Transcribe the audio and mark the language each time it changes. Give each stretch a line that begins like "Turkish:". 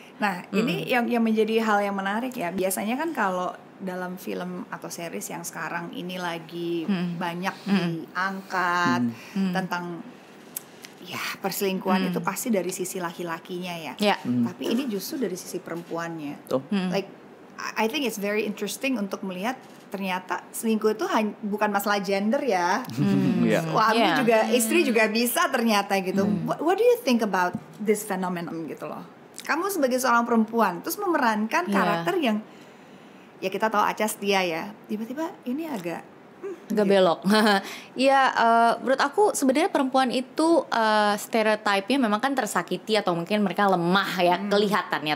Indonesian: Nah, ini yang menjadi hal yang menarik ya. Biasanya kan kalau dalam film atau series yang sekarang ini lagi banyak diangkat tentang ya perselingkuhan itu pasti dari sisi laki-lakinya ya.
English: Yeah.
Indonesian: Tapi ini justru dari sisi perempuannya. Tuh.
English: Like I think it's very interesting
Indonesian: untuk melihat ternyata selingkuh itu bukan masalah gender ya. Suami juga, istri juga bisa ternyata gitu.
English: What do you think about this phenomenon
Indonesian: gitu loh? Kamu sebagai seorang perempuan terus memerankan karakter yang ya kita tahu Aca setia ya. Tiba-tiba ini agak gak belok. Ya menurut aku sebenarnya perempuan itu stereotipnya memang kan tersakiti atau mungkin mereka lemah ya kelihatannya.